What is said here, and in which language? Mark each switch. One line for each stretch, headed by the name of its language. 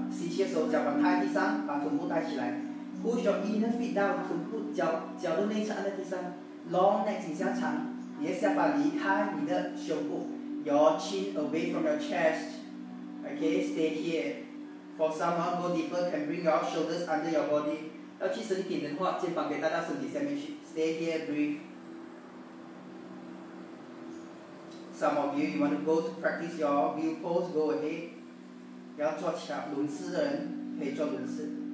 Chinese: 吸气的时候脚板踏在地上, 把臀部带起来.
English: Push your inner feet down,
Chinese: 臀部, 脚的内侧按在地上.
English: Long neck,
Chinese: 颈向长. 你的下巴离开你的胸部.
English: Your chin away from your chest. Okay, stay here. For someone go deeper, can bring your shoulders under your body.
Chinese: 要去深一点的话, 肩膀可以带到身体下面去.
English: Stay here, breathe. Some of you, you want to go to practice your view pose, go ahead.
Chinese: 要做轮式的人可以做轮式.